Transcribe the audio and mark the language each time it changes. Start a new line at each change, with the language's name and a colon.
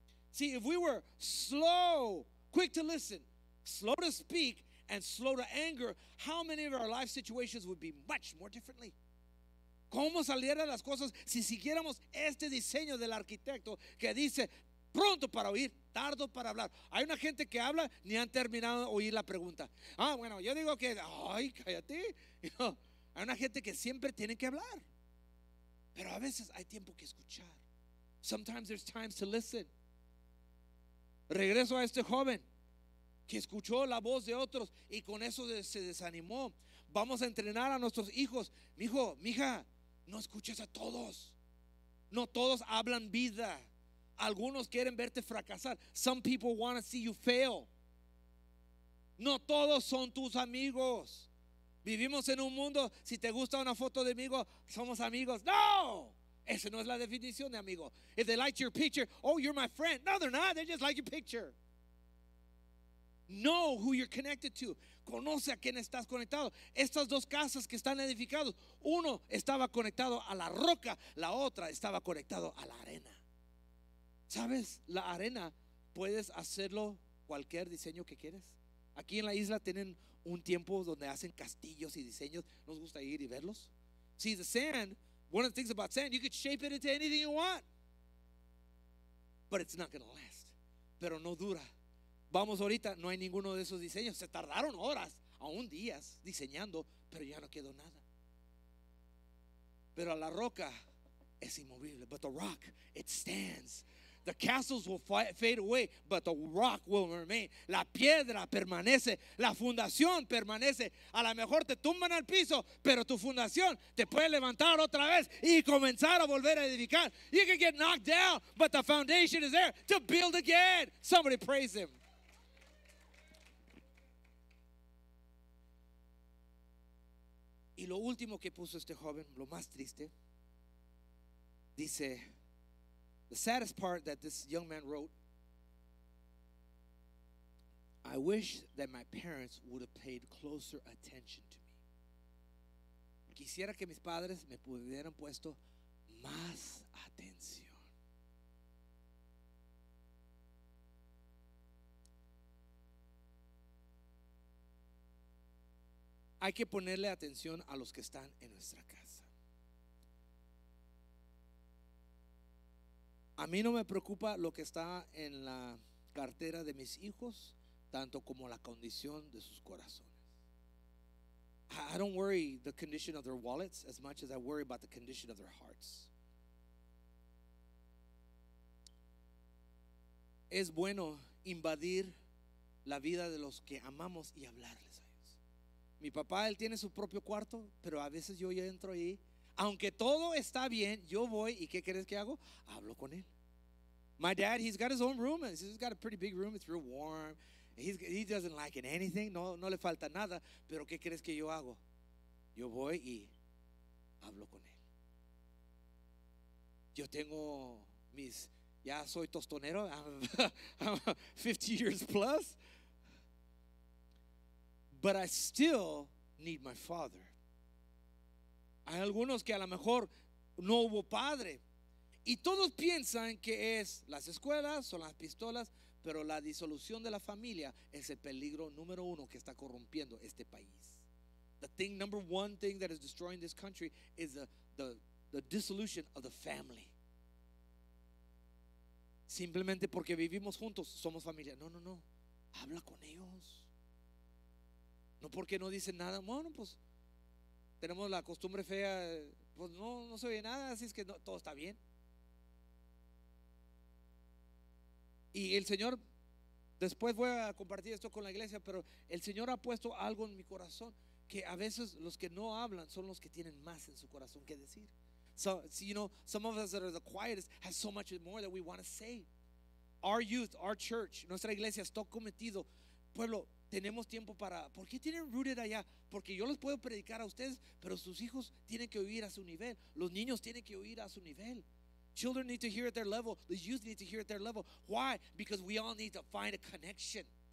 English: See, if we were slow, quick to listen, slow to speak, and slow to anger, how many of our life situations would be much more differently?
Spanish: ¿Cómo salieran las cosas si siguiéramos este diseño del arquitecto que dice, pronto para oír, tardo para hablar? Hay una gente que habla, ni han terminado de oír la pregunta. Ah, bueno, yo digo que, ay, cállate.
English: You know,
Spanish: hay una gente que siempre tiene que hablar. Pero a veces hay tiempo que escuchar.
English: Sometimes there's time to listen.
Spanish: Regreso a este joven que escuchó la voz de otros y con eso se desanimó. Vamos a entrenar a nuestros hijos. Mijo, mija, no escuches a todos. No todos hablan vida. Algunos quieren verte fracasar.
English: Some people want to see you fail.
Spanish: No todos son tus amigos. Vivimos en un mundo, si te gusta una foto de amigo, somos amigos. No, Esa no es la definición de amigo.
English: If they like your picture, oh, you're my friend. No, they're not. They just like your picture. Know who you're connected to.
Spanish: Conoce a quién estás conectado. Estas dos casas que están edificadas, uno estaba conectado a la roca, la otra estaba conectado a la arena. ¿Sabes? La arena, puedes hacerlo cualquier diseño que quieres. Aquí en la isla tienen un tiempo donde hacen castillos y diseños. Nos gusta ir y verlos.
English: See, the sand, one of the things about sand, you could shape it into anything you want, but it's not going to last.
Spanish: Pero no dura. Vamos ahorita, no hay ninguno de esos diseños. Se tardaron horas, aún días, diseñando, pero ya no quedó nada. Pero la roca es inmovible.
English: But the rock, it stands. The castles will fade away, but the rock will remain.
Spanish: La piedra permanece, la fundación permanece. A lo mejor te tumban al piso, pero tu fundación te puede levantar otra vez y comenzar a volver a edificar.
English: You can get knocked down, but the foundation is there to build again. Somebody praise him.
Spanish: Y lo último que puso este joven, lo más triste, dice,
English: the saddest part that this young man wrote, I wish that my parents would have paid closer attention to me.
Spanish: Quisiera que mis padres me hubieran puesto más atención. Hay que ponerle atención a los que están en nuestra casa. A mí no me preocupa lo que está en la cartera de mis hijos, tanto como la condición de sus corazones.
English: I don't worry the condition of their wallets as much as I worry about the condition of their hearts.
Spanish: Es bueno invadir la vida de los que amamos y hablarles a ellos. Mi papá, él tiene su propio cuarto, pero a veces yo ya entro ahí. Aunque todo está bien, yo voy y ¿qué crees que hago? Hablo con él.
English: My dad, he's got his own room. He's got a pretty big room. It's real warm. He doesn't like it anything.
Spanish: No le falta nada. Pero ¿qué crees que yo hago? Yo voy y hablo con él. Yo tengo mis... Ya soy tostonero.
English: I'm 50 years plus. But I still need my father.
Spanish: Hay algunos que a lo mejor no hubo padre. Y todos piensan que es las escuelas, son las pistolas, pero la disolución de la familia es el peligro número uno que está corrompiendo este país.
English: The thing, number one thing that is destroying this country is the dissolution of the family.
Spanish: Simplemente porque vivimos juntos, somos familia. No. Habla con ellos. No porque no dicen nada. Bueno, pues tenemos la costumbre fea, pues no se oye nada, así es que no, todo está bien. Y el Señor, después voy a compartir esto con la iglesia, pero el Señor ha puesto algo en mi corazón, que a veces los que no hablan son los que tienen más en su corazón que decir.
English: So, you know, some of us that are the quietest have so much more that we want to say. Our youth, our church,
Spanish: nuestra iglesia está cometido. Pueblo, tenemos tiempo para, ¿por qué tienen rooted allá? Porque yo les puedo predicar a ustedes, pero sus hijos tienen que oír a su nivel. Los niños tienen que oír a su nivel.
English: Children need to hear at their level. The youth need to hear at their level. Why? Because we all need to find a connection.